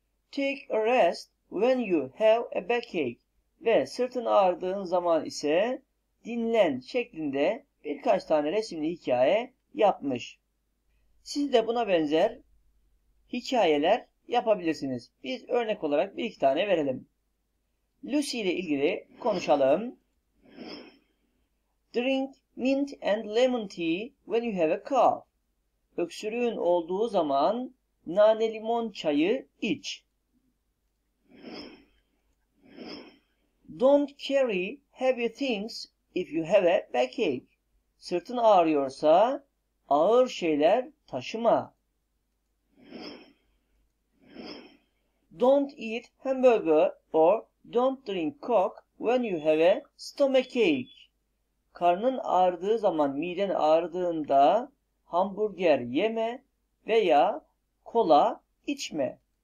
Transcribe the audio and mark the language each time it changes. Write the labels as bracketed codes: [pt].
[en] Take a rest when you have a backache. [tr] Ve sırtın ağrıdığın zaman ise dinlen şeklinde birkaç tane resimli hikaye yapmış. Siz de buna benzer hikayeler yapabilirsiniz. Biz örnek olarak bir iki tane verelim. Lucy ile ilgili konuşalım. [en] Drink mint and lemon tea when you have a cough. [tr] Öksürüğün olduğu zaman nane limon çayı iç. [en] Don't carry heavy things if you have a backache. [tr] Sırtın ağrıyorsa ağır şeyler taşıma. [en] Don't eat hamburger or don't drink coke when you have a stomachache. [tr] Karnın ağrıdığı zaman, miden ağrıdığında hamburger yeme veya kola içme.